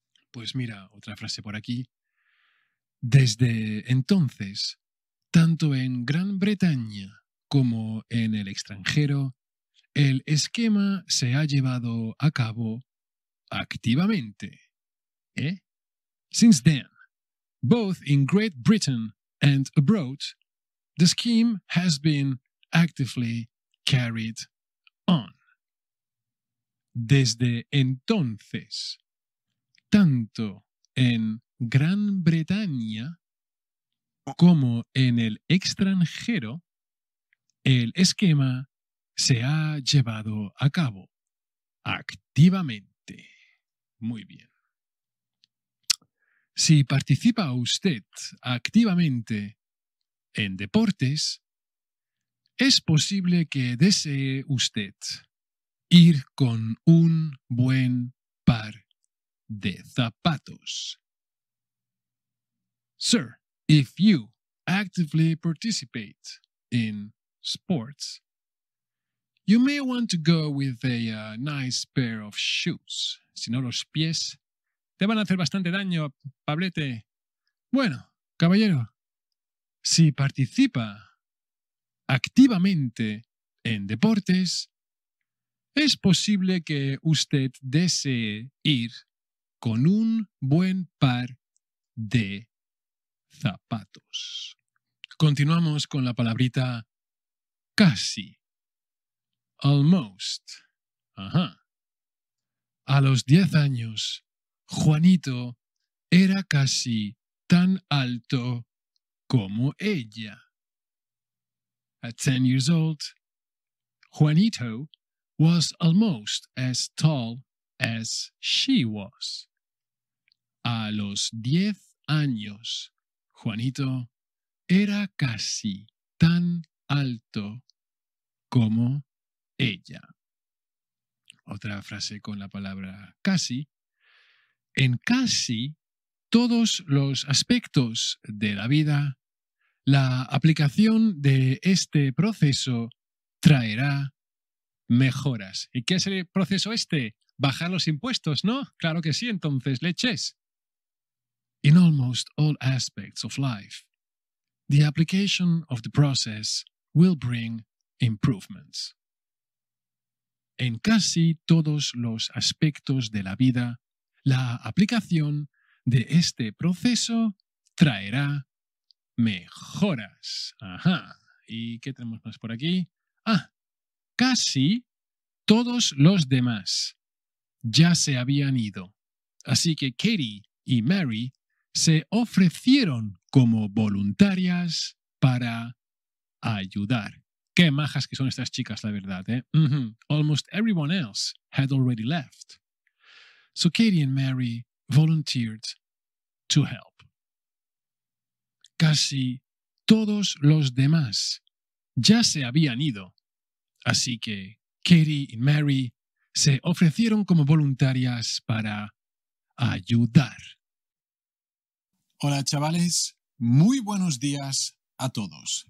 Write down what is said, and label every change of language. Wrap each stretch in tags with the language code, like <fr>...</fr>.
<es>Pues mira, otra frase por aquí. Desde entonces, tanto en Gran Bretaña como en el extranjero, el esquema se ha llevado a cabo activamente. ¿Eh?</es> <en>Since then, both in Great Britain and abroad, the scheme has been actively carried on.</en> <es>Desde entonces, tanto en Gran Bretaña como en el extranjero, el esquema se ha llevado a cabo activamente. Muy bien. Si participa usted activamente en deportes, es posible que desee usted ir con un buen par de zapatos.</es> <en>Sir, if you actively participate in sports, you may want to go with a nice pair of shoes.</en> <es>Si no, los pies te van a hacer bastante daño, Pablete. Bueno, caballero, si participa activamente en deportes, es posible que usted desee ir con un buen par de zapatos. Continuamos con la palabrita casi. Almost. Ajá. A los 10 años, Juanito era casi tan alto como ella.</es> <en>At 10 years old, Juanito was almost as tall as she was.</en> <es>A los 10 años, Juanito era casi tan alto como ella. Otra frase con la palabra casi. En casi todos los aspectos de la vida, la aplicación de este proceso traerá mejoras. ¿Y qué es el proceso este? Bajar los impuestos, ¿no? Claro que sí, entonces, leches.</es> <en>In almost all aspects of life, the application of the process will bring improvements.</en> <es>En casi todos los aspectos de la vida, la aplicación de este proceso traerá mejoras. Ajá. ¿Y qué tenemos más por aquí? Ah, casi todos los demás ya se habían ido. Así que Katie y Mary se ofrecieron como voluntarias para ayudar. Qué majas que son estas chicas, la verdad, ¿eh? Mm-hmm.</es> <en>Almost everyone else had already left. So Katie and Mary volunteered to help.</en> <es>Casi todos los demás ya se habían ido. Así que Katie y Mary se ofrecieron como voluntarias para ayudar. Hola, chavales. Muy buenos días a todos.</es>